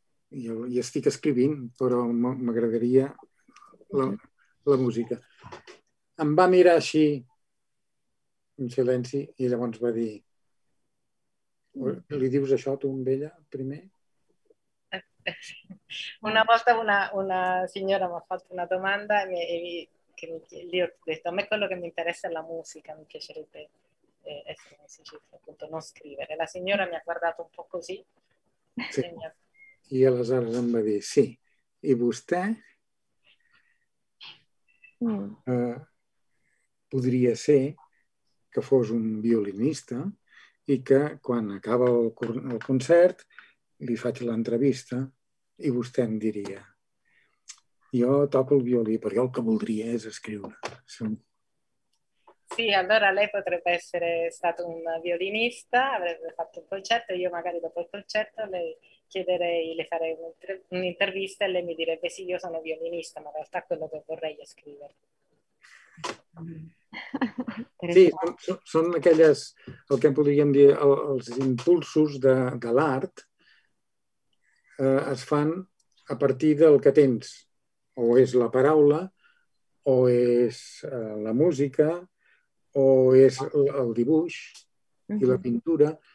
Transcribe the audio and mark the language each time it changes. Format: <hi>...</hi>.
<ca>Jo ja estic escrivint, però m'agradaria la música. Em va mirar així, en silenci, i llavors va dir: li dius això tu amb ella primer?</ca> <it>Una volta una signora mi ha fatto una domanda e io ho detto: a me quello che mi interessa è la musica, mi piacerebbe essere musicista, appunto non scrivere. La signora mi ha guardato un po' così e mi ha</it> <ca>I aleshores em va dir: sì, i vostè? Podria ser que fos un violinista i que quan acaba el concert li faig l'entrevista i vostè em diria: jo toco il violí, però jo el que voldria és escriure.</ca> <it>Sì, allora lei potrebbe essere stato un violinista, avrebbe fatto un concerto, io magari dopo il concerto le farei un'intervista e lei mi direbbe sì, io sono violinista, ma in realtà quello che vorrei è scrivere.</it> <ca>Sì, són aquelles, el que podríem dir, els impulsos de l'art es fan a partir del que tens, o és la paraula, o és la música, o és el dibuix i la pintura.</ca>